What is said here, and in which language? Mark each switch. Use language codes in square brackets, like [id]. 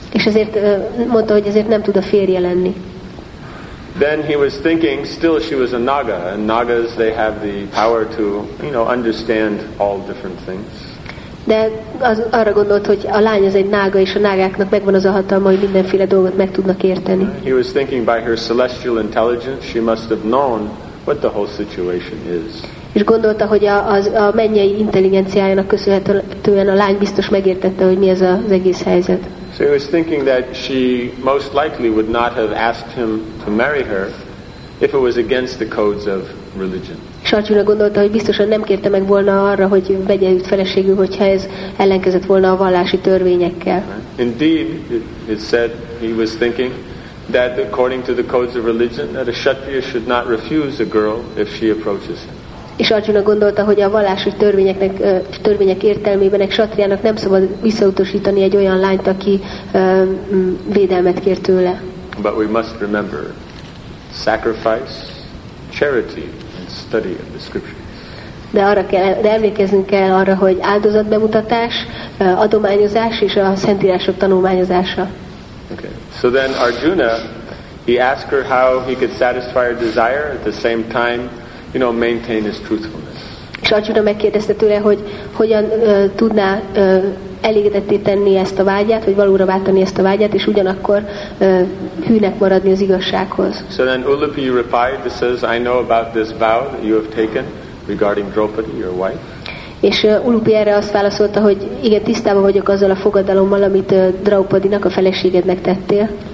[hu] És ezért mondta, hogy ezért nem tud a férje lenni. [en] Then he was thinking, still she was a Naga, and Nagas, they have the power to, you know, understand all different things. [hu] De arra gondolt, hogy a lány az egy Naga, és a nágáknak megvan az a hatalma, hogy mindenféle dolgot meg tudnak érteni. [en] He was thinking by her celestial intelligence, she must have known what the whole situation is. [hu] És gondolta, hogy a mennyei intelligenciájának köszönhetően a lány biztos megértette, hogy mi ez az egész helyzet. [en] So he was thinking that she most likely would not have asked him to marry her if it was against the codes of religion. [hu] És Arjuna gondolta, hogy biztosan nem kérte meg volna arra, hogy vegye őt feleségül, hogyha ez ellenkezett volna a vallási törvényekkel. [en] Indeed, it said, he was thinking that according to the codes of religion, that a kshatriya should not refuse a girl if she approaches him. [hu] És Arjuna gondolta, hogy a vallási törvények értelmében egy ksatriának nem szabad visszautasítani egy olyan lányt, aki védelmet kér tőle. [en] But we must remember sacrifice, charity and study of the scriptures. [hu] De emlékeznünk kell arra, hogy áldozatbemutatás, adományozás és a szentírások tanulmányozása. [en] Okay. So then Arjuna, he asked her how he could satisfy her desire at the same time, you know, maintain his truthfulness. [hu] És Arjuna megkérdezte tőle, hogy hogyan tudná elégedetté tenni ezt a vágyát, vagy valóra váltani ezt a vágyát, és ugyanakkor hűnek maradni az igazsághoz. [en] So then Ulupi replied, this says, I know about this vow that you have taken regarding Draupadi, your wife. [hu] És Ulupi erre azt válaszolta, hogy igen, tisztában vagyok azzal a fogadalommal, amit Draupadinak, a feleségednek tettél.